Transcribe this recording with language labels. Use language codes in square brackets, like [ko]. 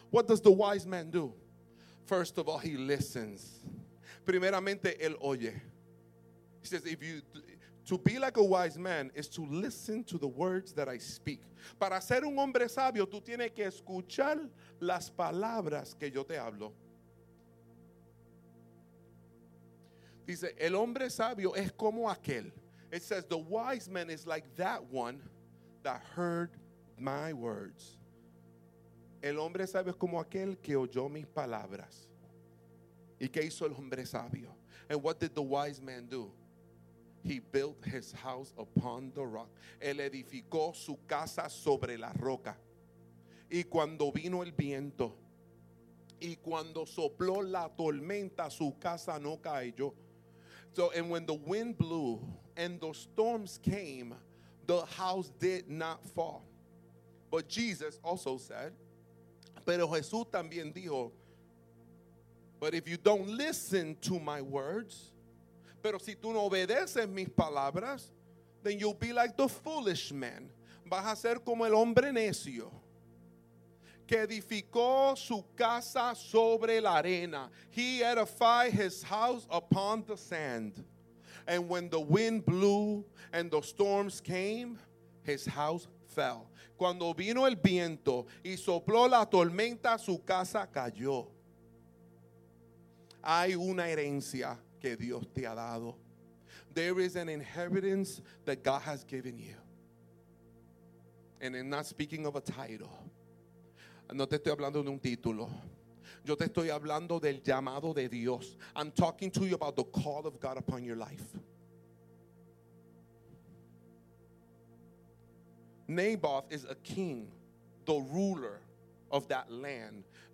[en] What does the wise man do? First of all, he listens. [es] Primeramente, él oye. [en] He says, to be like a wise man is to listen to the words that I speak. [es] Para ser un hombre sabio, tú tienes que escuchar las palabras que yo te hablo. Dice, el hombre sabio es como aquel. [en] It says, the wise man is like that one that heard my words. [es] El hombre sabio es como aquel que oyó mis palabras. ¿Y qué hizo el hombre sabio? [en] And what did the wise man do? He built his house upon the rock. [es] Él edificó su casa sobre la roca. Y cuando vino el viento, y cuando sopló la tormenta, su casa no cayó. [en] So, and when the wind blew and the storms came, the house did not fall. But Jesus also said, [es] pero Jesús también dijo, [en] but if you don't listen to my words, [es] pero si tú no obedeces mis palabras, [en] then you'll be like the foolish man. [es] Vas a ser como el hombre necio. que edificó su casa sobre la arena. [en] He edified his house upon the sand. And when the wind blew and the storms came, his house fell. [es] Cuando vino el viento y sopló la tormenta, su casa cayó. Hay una herencia que Dios te ha dado. [en] There is an inheritance that God has given you. And I'm not speaking of a title. [es] No te estoy hablando de un título. Yo te estoy hablando del llamado de Dios. [en] I'm talking to you about the call of God upon your life. Naboth is a king, the ruler of that land.